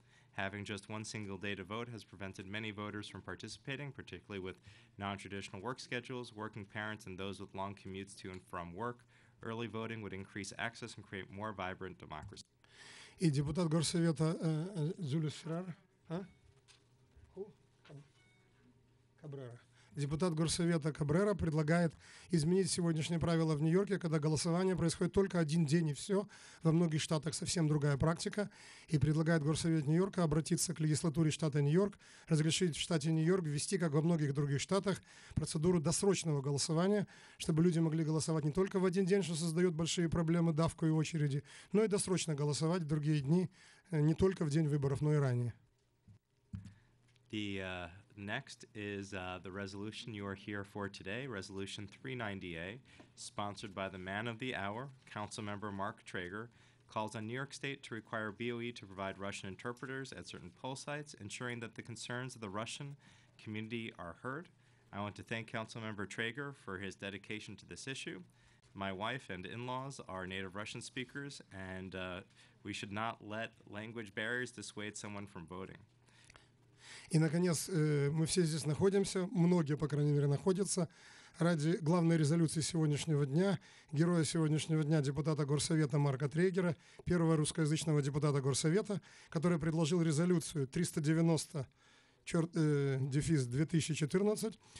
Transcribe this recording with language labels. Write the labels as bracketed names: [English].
[English] Having just one single day to vote has prevented many voters from participating, particularly with non-traditional work schedules, working parents, and those with long commutes to and from work. Early voting would increase access and create more vibrant democracy. [Russian] И депутат Горсовета Зулюс Феррар, Кабрера. Депутат Горсовета Кабрера предлагает изменить сегодняшние правила в Нью-Йорке, когда голосование происходит только один день и все. Во многих штатах совсем другая практика. И предлагает Горсовет Нью-Йорка обратиться к легислатуре штата Нью-Йорк, разрешить в штате Нью-Йорк ввести, как во многих других штатах, процедуру досрочного голосования, чтобы люди могли голосовать не только в один день, что создает большие проблемы, давку и очереди, но и досрочно голосовать в другие дни, не только в день выборов, но и ранее. [English] Next is the resolution you are here for today, Resolution 390A, sponsored by the man of the hour, Councilmember Mark Traeger, calls on New York State to require BOE to provide Russian interpreters at certain poll sites, ensuring that the concerns of the Russian community are heard. I want to thank Councilmember Traeger for his dedication to this issue. My wife and in-laws are native Russian speakers, and we should not let language barriers dissuade someone from voting. [Russian] И, наконец, мы все здесь находимся, многие, по крайней мере, находятся, ради главной резолюции сегодняшнего дня, героя сегодняшнего дня, депутата Горсовета Марка Трейгера, первого русскоязычного депутата Горсовета, который предложил резолюцию 390-2014.